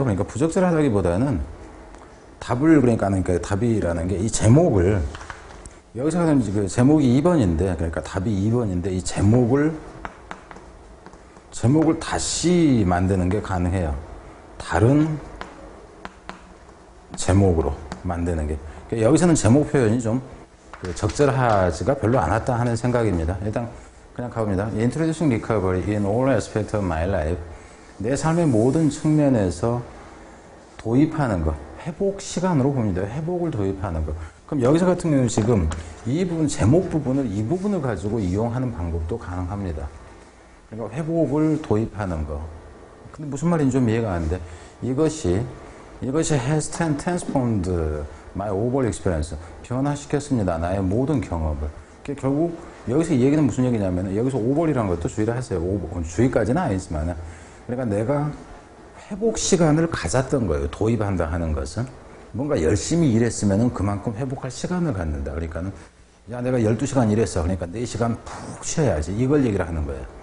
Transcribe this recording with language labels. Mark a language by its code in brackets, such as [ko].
[ko] 그러니까 부적절하다기보다는 답을 그러니까 답이라는 게 이 제목을 여기서 가는 그 제목이 2번인데, 그러니까 답이 2번인데, 이 제목을 다시 만드는 게 가능해요. 다른 제목으로 만드는 게. 그러니까 여기서는 제목 표현이 좀 그 적절하지가 별로 않았다 하는 생각입니다. 일단 그냥 가봅니다. [en] Introducing recovery in all aspects of my life. [ko] 내 삶의 모든 측면에서 도입하는 거. 회복 시간으로 봅니다. 회복을 도입하는 거. 그럼 여기서 같은 경우는 지금 이 부분, 제목 부분을 이 부분을 가지고 이용하는 방법도 가능합니다. 그러니까 회복을 도입하는 거. 근데 무슨 말인지 좀 이해가 안 돼. 이것이 [en] has transformed my overall experience. [ko] 변화시켰습니다. 나의 모든 경험을. 그러니까 결국 여기서 이 얘기는 무슨 얘기냐면 여기서 overall이라는 것도 주의를 하세요. 주의까지는 아니지만. 그러니까 내가 회복 시간을 가졌던 거예요. 도입한다 하는 것은. 뭔가 열심히 일했으면은 그만큼 회복할 시간을 갖는다. 그러니까는, 야, 내가 12시간 일했어. 그러니까 4시간 푹 쉬어야지. 이걸 얘기를 하는 거예요.